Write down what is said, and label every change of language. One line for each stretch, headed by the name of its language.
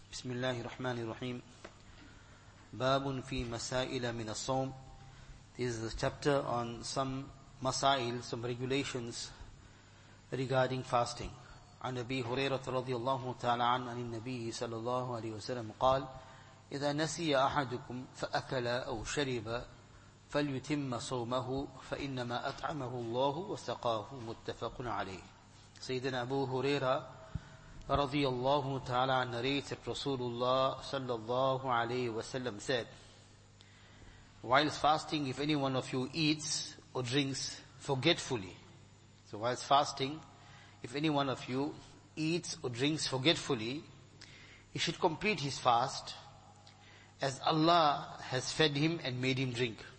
Arabic: بسم الله الرحمن الرحيم باب في مسائل من الصوم.
English: This is a chapter on some masail, some regulations regarding fasting.
Arabic: عن أبي هريرة رضي الله تعالى عنه عن النبي صلى الله عليه وسلم قال إذا نسي أحدكم فأكل أو شرب فليتم صومه فإنما أطعمه الله وسقاه. متفق عليه. سيدنا أبو هريرة رضي الله تعالى عن
English: narrated
Arabic: رسول الله صلى الله عليه وسلم
English: said, whilst fasting, if any one of you eats or drinks forgetfully, so whilst fasting, if any one of you eats or drinks forgetfully, he should complete his fast as Allah has fed him and made him drink.